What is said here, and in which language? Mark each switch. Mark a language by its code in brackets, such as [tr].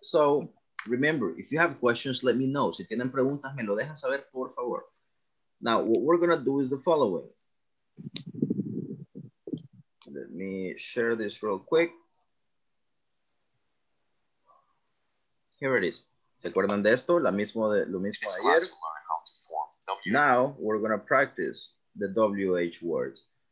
[en] So, remember, if you have questions, let me know. [es] Si tienen preguntas, me lo dejan saber, por favor. [en] Now, what we're going to do is the following. Let me share this real quick. Here it is. [es] ¿Se acuerdan de esto? Lo mismo de ayer. [en] Now, we're going to practice the WH words.